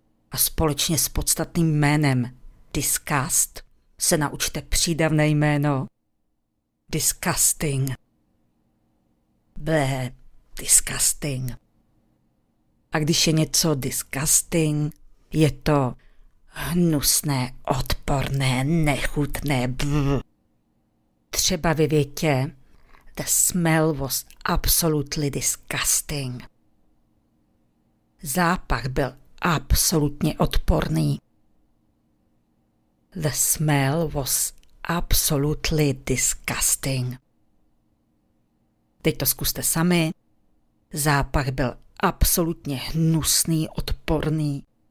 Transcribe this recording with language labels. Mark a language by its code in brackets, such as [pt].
[cs] A společně s podstatným jménem disgust se naučte přídavné jméno disgusting. Blé, disgusting. A když je něco disgusting, je to hnusné, odporné, nechutné. Třeba ve větě [en] the smell was absolutely disgusting. [cs] Zápach byl absolutně odporný. [en] The smell was absolutely disgusting. [cs] Teď to zkuste sami. Zápach byl absolutně hnusný, odporný.